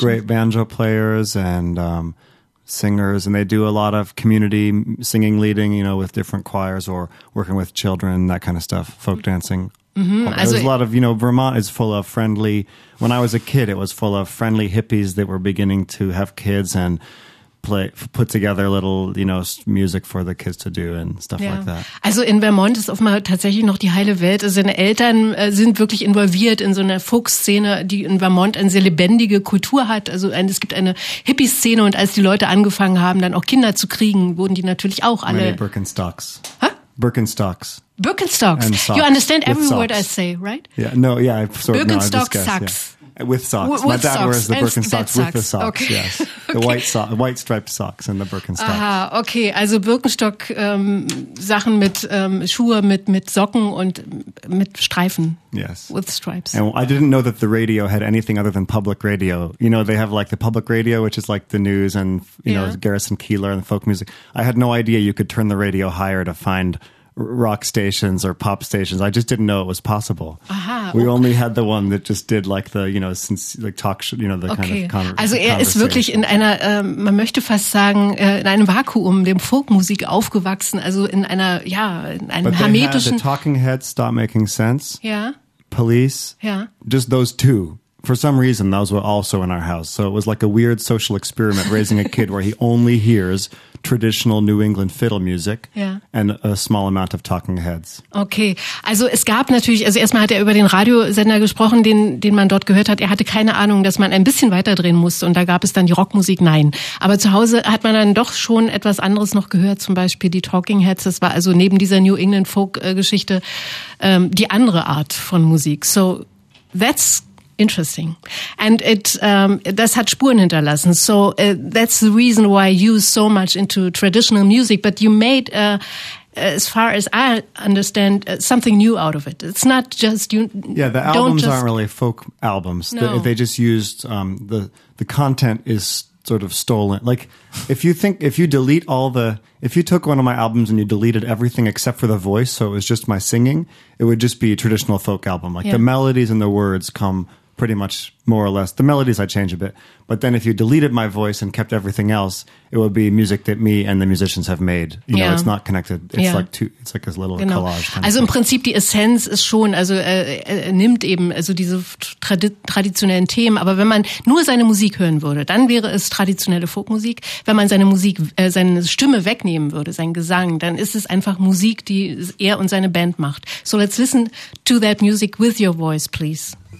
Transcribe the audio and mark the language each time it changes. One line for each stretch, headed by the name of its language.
English: Great banjo players and singers, and they do a lot of community singing, leading, you know, with different choirs or working with children, that kind of stuff, folk dancing. Mm-hmm. There's a lot of, you know, Vermont is full of friendly. When I was a kid, it was full of friendly hippies that were beginning to have kids and put together little, you know, music for the kids to do and stuff like that.
German: Also in Vermont ist offenbar tatsächlich noch die heile Welt. Also seine Eltern sind wirklich involviert in so einer Folk-Szene, die in Vermont eine sehr lebendige Kultur hat. Also es gibt eine Hippie-Szene und als die Leute angefangen haben, dann auch Kinder zu kriegen, wurden die natürlich auch alle...
English: Many Birkenstocks. Birkenstocks. Birkenstocks. You understand every word I say, right? Birkenstocks. With socks. My dad wears the Birkenstocks with the socks, okay. Yes. The white striped socks and the Birkenstocks. Aha, okay.
German: Also Birkenstock Sachen mit Schuhe, mit Socken und mit Streifen.
English: Yes. With stripes. And I didn't know that the radio had anything other than public radio. You know, they have like the public radio, which is like the news and, you know, Garrison Keillor and folk music. I had no idea you could turn the radio higher to find rock stations or pop stations. I just didn't know it was possible. Aha. We only had the one that just did like the, you know, since like talk show, you know, the kind of conversation.
German: Also er ist wirklich in einer, man möchte fast sagen, in einem Vakuum, dem Folkmusik aufgewachsen, also in einer, ja, in einem
English: but
German: hermetischen...
English: But they had the Talking Heads, Stop Making Sense. Yeah. Police. Yeah. Just those two for some reason, those were also in our house. So it was like a weird social experiment raising a kid where he only hears traditional New England fiddle music and a small amount of Talking Heads.
German: Okay, also es gab natürlich, also erstmal hat er über den Radiosender gesprochen, den man dort gehört hat. Er hatte keine Ahnung, dass man ein bisschen weiter drehen musste und da gab es dann die Rockmusik, nein. Aber zu Hause hat man dann doch schon etwas anderes noch gehört, zum Beispiel die Talking Heads. Das war also neben dieser New England Folk-Geschichte die andere Art von Musik.
English: So that's interesting. And it,
German: das hat Spuren hinterlassen.
English: So, that's the reason why you so much into traditional music. But you made, as far as I understand, something new out of it. It's not just you. Yeah, the albums aren't really folk albums. No. They just used, the content is sort of stolen. Like, if you took one of my albums and you deleted everything except for the voice, so it was just my singing, it would just be a traditional folk album. Like, the melodies and the words come pretty much more or less. The melodies I change a bit. But then if you deleted my voice and kept everything else, it would be music that me and the musicians have made. You know, it's not connected. It's like two, it's like a little collage. Kind
German: also of im Prinzip die Essenz ist schon, also nimmt eben also diese traditionellen Themen. Aber wenn man nur seine Musik hören würde, dann wäre es traditionelle Folkmusik. Wenn man seine Musik, seine Stimme wegnehmen würde, sein Gesang, dann ist es einfach Musik, die er und seine Band macht.
English: So let's listen to that music with your voice, please.